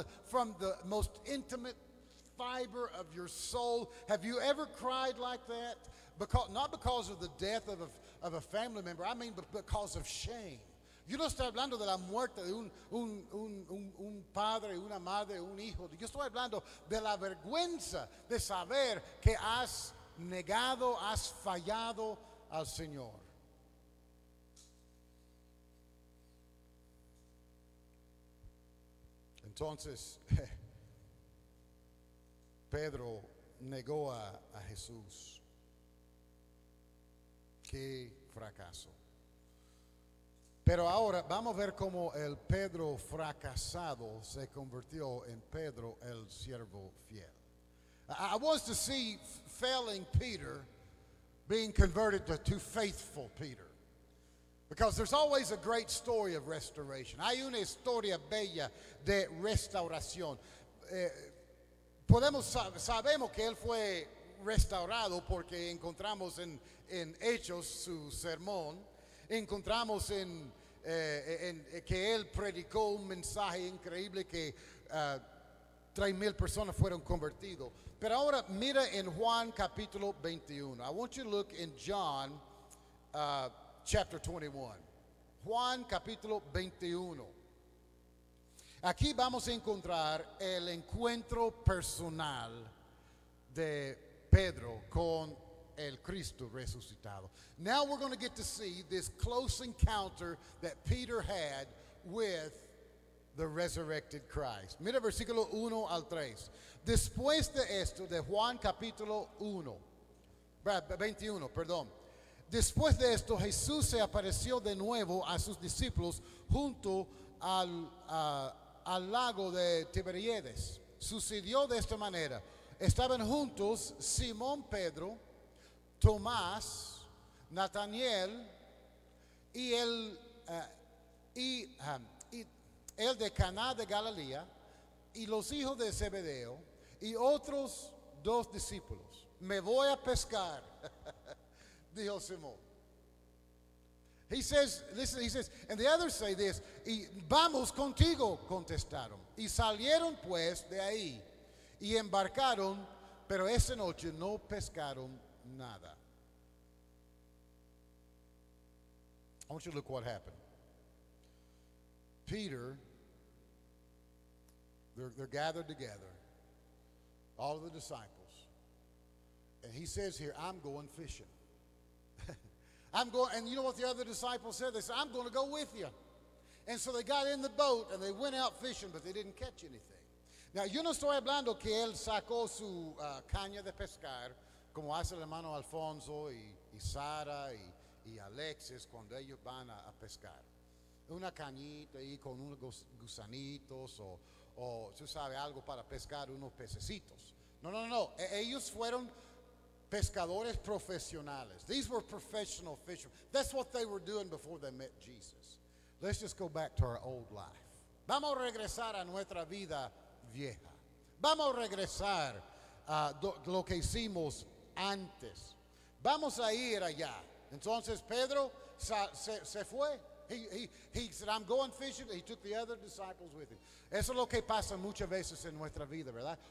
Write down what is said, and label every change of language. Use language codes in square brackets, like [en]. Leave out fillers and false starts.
[en] From the most intimate fiber of your soul. Have you ever cried like that? Not because of the death of a family member. I mean because of shame. [es] Yo no estoy hablando de la muerte de un padre, una madre, un hijo. Yo estoy hablando de la vergüenza de saber que has negado, has fallado al Señor. Entonces, Pedro negó a Jesús. Qué fracaso. Pero ahora vamos a ver cómo el Pedro fracasado se convirtió en Pedro el siervo fiel. [en] I want to see failing Peter being converted to faithful Peter. Because there's always a great story of restoration. [es] Hay una historia bella de restauración. Sabemos que él fue restaurado porque encontramos en Hechos su sermón. Encontramos en que él predicó un mensaje increíble que 3,000 personas fueron convertidos. Pero ahora mira en Juan capítulo 21. [en] I want you to look in John chapter 21. [es] Juan capítulo 21. Aquí vamos a encontrar el encuentro personal de Pedro con el Cristo resucitado. Now we're going to get to see this close encounter that Peter had with the resurrected Christ. Mira versículo 1 al 3. Después de esto, de Juan capítulo 21, perdón. Después de esto, Jesús se apareció de nuevo a sus discípulos junto al lago de Tiberíades. Sucedió de esta manera. Estaban juntos Simón Pedro, Tomás, Nataniel y el de Caná de Galilea y los hijos de Zebedeo y otros dos discípulos. Me voy a pescar, dijo Simón. [en] He says, listen, he says, and the others say this, [es] y vamos contigo, contestaron. Y salieron pues de ahí y embarcaron, pero esa noche no pescaron nada. [en] I want you to look what happened. Peter, they're gathered together, all of the disciples, and he says here, I'm going fishing. I'm going, and you know what the other disciples said? They said, I'm going to go with you. And so they got in the boat and they went out fishing, but they didn't catch anything. [es] Now, yo no estoy hablando que él sacó su caña de pescar, como hace el hermano Alfonso y Sara y Alexis cuando ellos van a pescar. Una cañita ahí con unos gusanitos o tú sabes, algo para pescar unos pececitos. No. Ellos fueron pescadores profesionales. [en] These were professional fishermen. That's what they were doing before they met Jesus. Let's just go back to our old life. [es] Vamos a regresar a nuestra vida vieja. Vamos a regresar a lo que hicimos antes. Vamos a ir allá. Entonces Pedro se fue. [en] He said, I'm going fishing. He took the other disciples with him. [es] Eso es lo que pasa muchas veces en nuestra vida, ¿verdad?